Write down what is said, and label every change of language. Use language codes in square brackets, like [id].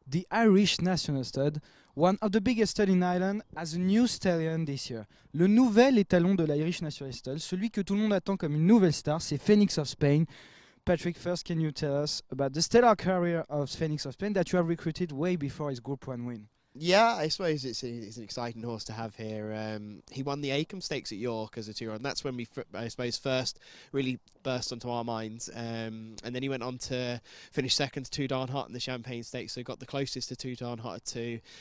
[en] Irish National Stud, one of the biggest stud in Ireland, has a new stallion this year. [fr] Le nouvel étalon de l'Irish National Stud, celui que tout le monde attend comme une nouvelle star, c'est Phoenix of Spain. [en] Patrick, first, can you tell us about the stellar career of Phoenix of Spain that you have recruited way before his Group 1 win? Yeah, I suppose it's an exciting horse to have here. He won the Acomb Stakes at York as a two-year-old, and that's when we first really burst onto our minds. And then he went on to finish second to Too Darn Hot in the Champagne Stakes, so got the closest to Too Darn Hot at two.